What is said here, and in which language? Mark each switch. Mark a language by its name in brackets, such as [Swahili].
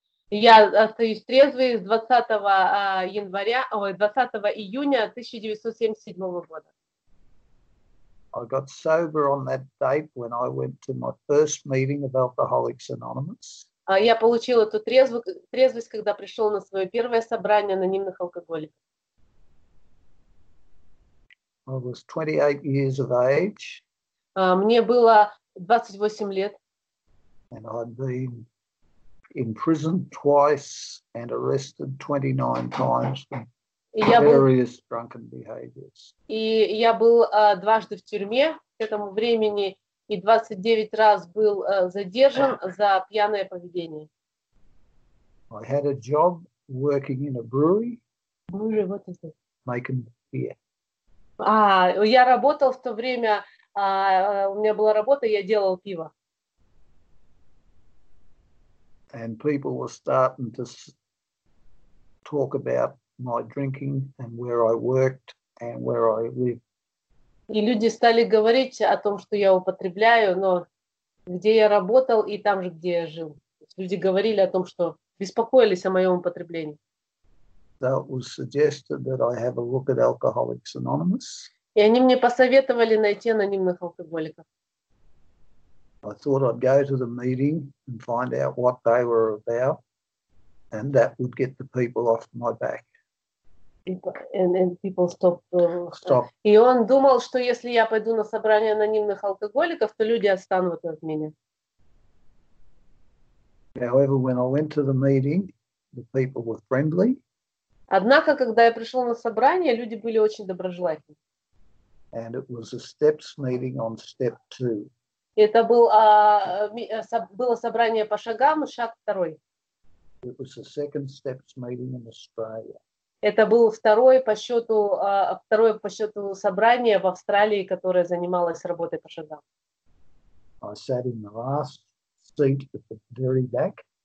[Russian] Я остаюсь трезвой с 20 июня 1977 года. [English] I got sober on that date when I went to my first meeting of Alcoholics Anonymous. [Russian] Я получил эту трезвость, когда пришел на свое первое собрание анонимных алкоголиков. [English] I was 28 years of age. [Russian] Мне было 28 лет. [English] And I'd been imprisoned twice and arrested 29 times for various drunken behaviors. [Russian] И я был дважды в тюрьме к этому времени и 29 раз был задержан за пьяное поведение. [English] I had a job working in a brewery. [Russian] Боже, вот это. [English] Making beer. [Russian] Я работал в то время, у меня была работа, я делал пиво. [English] And people were starting to talk about my drinking and where I worked and where I live. [Russian] И люди стали говорить о том, что я употребляю, но где я работал и там же, где я жил. Люди говорили о том, что беспокоились о моем употреблении. [English] So it was suggested that I have a look at Alcoholics Anonymous. [Russian] И они мне посоветовали найти анонимных алкоголиков. [English] I thought I'd go to the meeting and find out what they were about, and that would get the people off my back. And people stopped. [Russian] И он думал, что если я пойду на собрание анонимных алкоголиков, то люди отстанут от меня. [English] However, when I went to the meeting, the people were friendly. [Russian] Однако, когда я пришел на собрание, люди были очень доброжелательны. [English] And it was a steps meeting on step two. [Russian] Это было собрание по шагам, шаг второй. [English] It was the second steps meeting in Australia. [Russian] Это было второе по счету собрание в Австралии, которое занималось работой по шагам. [English] I sat in the last seat at the very back.